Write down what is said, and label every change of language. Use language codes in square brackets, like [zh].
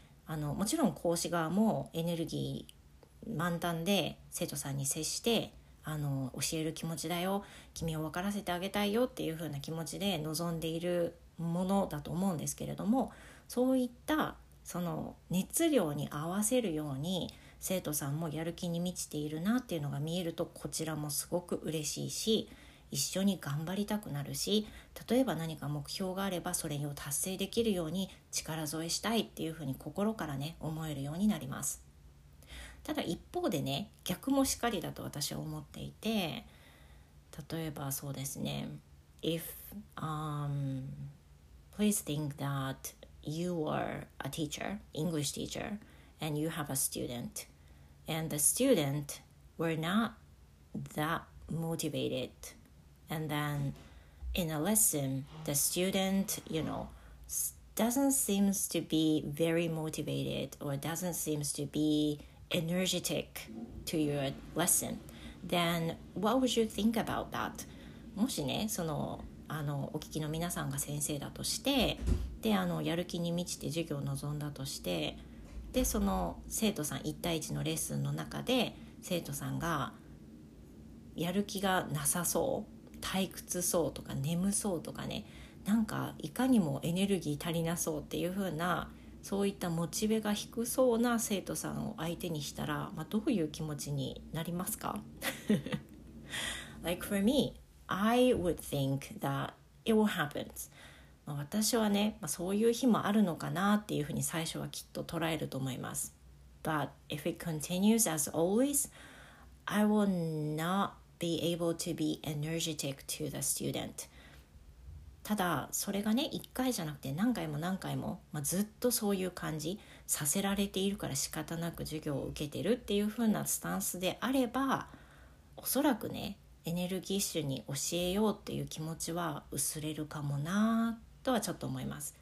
[ja] もちろん講師側もエネルギー満タンで生徒さんに接して教える気持ちだよ、君を分からせてあげたいよっていう風な気持ちで臨んでいるものだと思うんですけれども、そういったその熱量に合わせるように生徒さんもやる気に満ちているなっていうのが見えると、こちらもすごく嬉しいし、一緒に頑張りたくなるし、例えば何か目標があればそれを達成できるように力添えしたいっていう風に心からね思えるようになります。ただ一方でね、逆もしかりだと私は思っていて、例えばそうですね、 [en] If please think that you are a teacher, English teacher, and you have a student, and the student were not that motivated, and then in a lesson, the student, you know, doesn't seem to be very motivated or doesn't seem to beenergetic to your lesson, then what would you think about that? [ja] もしね、そのお聞きの皆さんが先生だとして、でやる気に満ちて授業を臨んだとして、でその生徒さん1対1のレッスンの中で生徒さんがやる気がなさそう、退屈そうとか眠そうとかね、なんかいかにもエネルギー足りなそうっていう風な、そういったモチベが低そうな生徒さんを相手にしたら、まあ、どういう気持ちになりますか？ [en] Like for me, I would think that it will happen. [ja] 私はね、まあ、そういう日もあるのかなっていう風に最初はきっと捉えると思います。 [en] But if it continues as always, I will not be able to be energetic to the student. [ja] ただそれがね、一回じゃなくて何回も何回も、まあ、ずっとそういう感じさせられているから仕方なく授業を受けてるっていう風なスタンスであれば、おそらくね、エネルギッシュに教えようっていう気持ちは薄れるかもなとはちょっと思います。